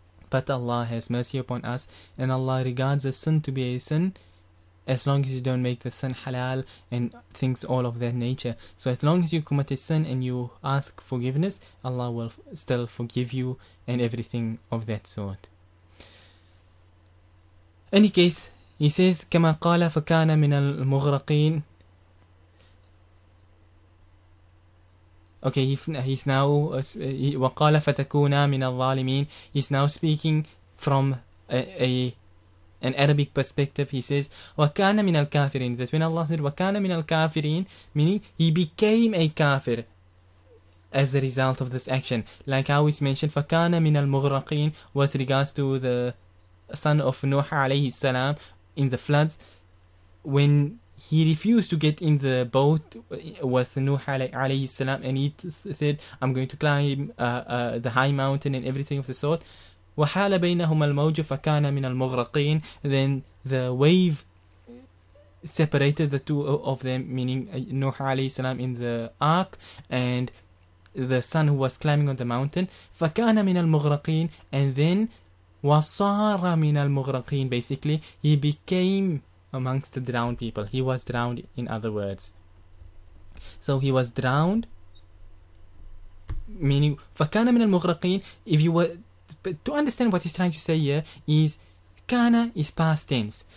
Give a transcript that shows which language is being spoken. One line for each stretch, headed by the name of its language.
English: But Allah has mercy upon us, and Allah regards a sin to be a sin as long as you don't make the sin halal and things all of that nature. So as long as you commit a sin and you ask forgiveness, Allah will still forgive you and everything of that sort. Any case, he says,
Arabic: كَمَا قَالَ فَكَانَ مِنَ الْمُغْرَقِينَ.
English: Okay, he's now,
Arabic: وَقَالَ فَتَكُونَ مِنَ الظَّالِمِينَ.
English: He's now speaking from an Arabic perspective. He says,
Arabic: وَكَانَ مِنَ الْكَافِرِينَ.
English: That's when Allah said,
Arabic: وَكَانَ مِنَ الْكَافِرِينَ,
English: meaning he became a kafir as a result of this action. Like how it's mentioned,
Arabic: فَكَانَ مِنَ الْمُغْرَقِينَ,
English: with regards to the son of Nuh alayhi salam in the floods, when he refused to get in the boat with Nuh alayhi salam, and he said, I'm going to climb the high mountain and everything of the sort.
Arabic: وَحَالَ بَيْنَهُمَ الْمَوْجُ فَكَانَ مِنَ الْمُغْرَقِينَ.
English: Then the wave separated the two of them, meaning Nuh alayhi salam in the ark and the son who was climbing on the mountain.
Arabic: فَكَانَ مِنَ الْمُغْرَقِينَ.
English: And then
Arabic: وَصَارَ مِنَ الْمُغْرَقِينَ.
English: Basically, he became amongst the drowned people. He was drowned, in other words. So he was drowned, meaning
Arabic: فَكَانَ مِنَ الْمُغْرَقِينَ.
English: If you were to understand what he's trying to say here, is كَانَ is past tense.